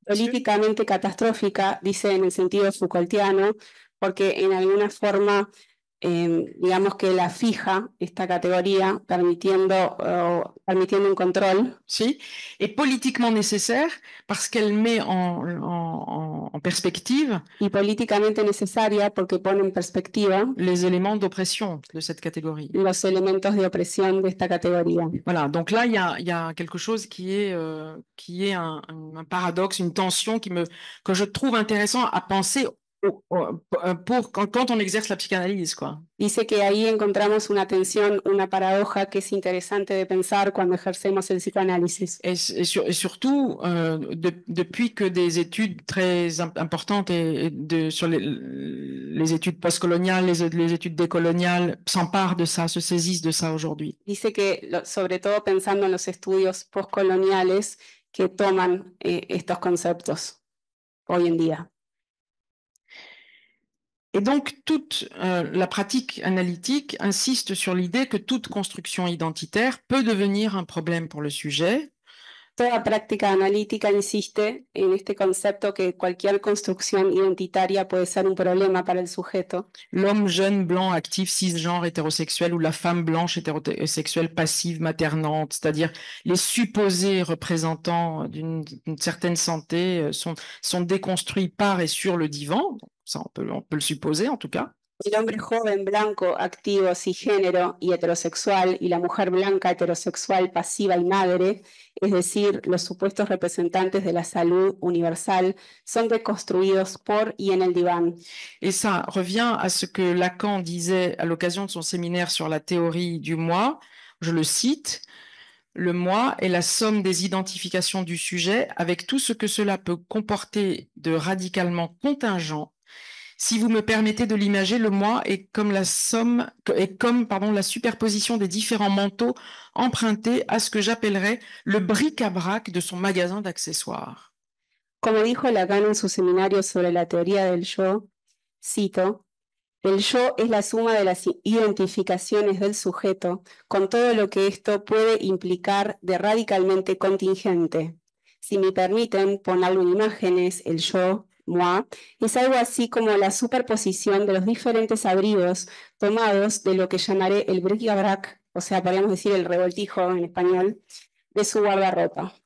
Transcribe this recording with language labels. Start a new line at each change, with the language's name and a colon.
Spanish: Políticamente catastrófica, dice en el sentido foucaultiano, porque en alguna forma, digamos que la fija esta categoría, permitiendo un control.
French: Sí, et politiquement nécessaire, parce qu'elle met en perspective.
Spanish: Y políticamente necesaria, porque pone en perspectiva.
French: Les éléments d'oppression de cette catégorie.
Spanish: Los elementos de opresión de esta categoría.
French: Voilà, donc là, il y a quelque chose qui est un paradoxe, une tension que je trouve intéressant à penser. Quand on exerce la psychanalyse, quoi.
Spanish: Dice que ahí encontramos una tensión, una paradoja que es interesante de pensar cuando ejercemos el psicoanálisis.
French: Depuis que des études très importantes sur les études postcoloniales, les études décoloniales s'emparent de ça, se saisissent de ça aujourd'hui.
Spanish: Dice que sobre todo pensando en los estudios postcoloniales que toman estos conceptos hoy en día.
French: Et donc, toute la pratique analytique insiste sur l'idée que toute construction identitaire peut devenir un problème pour le sujet,
Spanish: Toda práctica analítica insiste en este concepto que cualquier construcción identitaria puede ser un problema para el sujeto.
French: L'homme jeune, blanc, actif, cisgenre, hétérosexuel, ou la femme blanche, hétérosexuelle, passive, maternante, c'est-à-dire les supposés représentants d'une certaine santé sont déconstruits par et sur le divan, ça on peut le supposer en tout cas.
Spanish: El hombre joven, blanco, activo, cisgénero y heterosexual, y la mujer blanca, heterosexual, pasiva y madre, es decir, los supuestos representantes de la salud universal, son reconstruidos por y en el diván.
French: Et ça revient à ce que Lacan disait à l'occasion de son séminaire sur la théorie du moi, je le cite, le moi est la somme des identifications du sujet avec tout ce que cela peut comporter de radicalement contingent. Si vous me permettez de l'imager, le moi est comme la somme, est comme, pardon, la superposition des différents manteaux empruntés à ce que j'appellerais le bric-à-brac de son magasin d'accessoires.
Spanish: Como dijo Lacan en su seminario sobre la teoría del yo, cito, el yo es la suma de las identificaciones del sujeto con todo lo que esto puede implicar de radicalmente contingente. Si me permiten ponerlo en imágenes, el yo, moi, es algo así como la superposición de los diferentes abrigos tomados de lo que llamaré el bric-à-brac, o sea, podríamos decir el revoltijo en español, de su guardarropa.